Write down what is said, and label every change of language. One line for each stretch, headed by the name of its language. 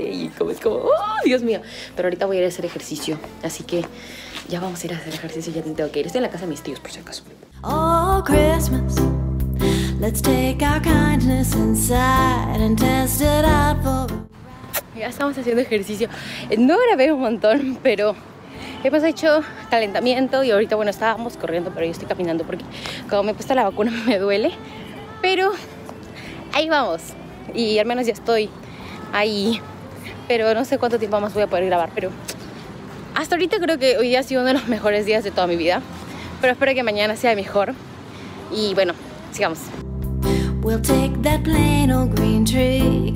Spanish: Y ¡oh, Dios mío! Pero ahorita voy a ir a hacer ejercicio. Así que ya vamos a ir a hacer ejercicio. Ya tengo que ir. Estoy en la casa de mis tíos, por si acaso.
English: Oh, Christmas. Let's take our kindness inside and test it out for.
Spanish: Ya estamos haciendo ejercicio. No grabé un montón, pero hemos hecho calentamiento y ahorita, bueno, estábamos corriendo, pero yo estoy caminando porque como me he puesto la vacuna me duele. Pero ahí vamos. Y al menos ya estoy ahí. Pero no sé cuánto tiempo más voy a poder grabar, pero hasta ahorita creo que hoy día ha sido uno de los mejores días de toda mi vida. Pero espero que mañana sea mejor. Y bueno, sigamos.
English: We'll take that plain old green tree,